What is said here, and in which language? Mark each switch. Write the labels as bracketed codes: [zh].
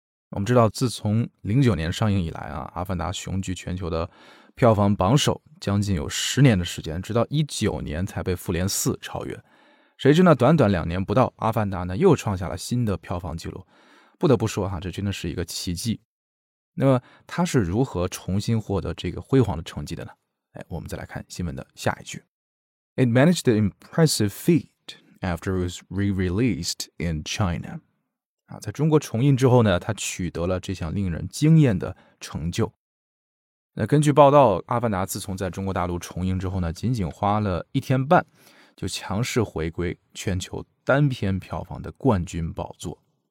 [zh] 我们知道，自从09年上映以来啊，阿凡达雄踞全球的票房榜首将近有十年的时间，直到19年才被复联四超越。谁知呢短短两年不到，阿凡达呢又创下了新的票房记录。不得不说哈，这真的是一个奇迹。那么他是如何重新获得这个辉煌的成绩的呢？哎，我们再来看新闻的下一句。 [en] It managed an impressive feat after it was re-released in China. [zh] 啊，在中国重映之后呢，它取得了这项令人惊艳的成就。那根据报道，阿凡达自从在中国大陆重映之后呢，仅仅花了一天半，就强势回归全球单片票房的冠军宝座。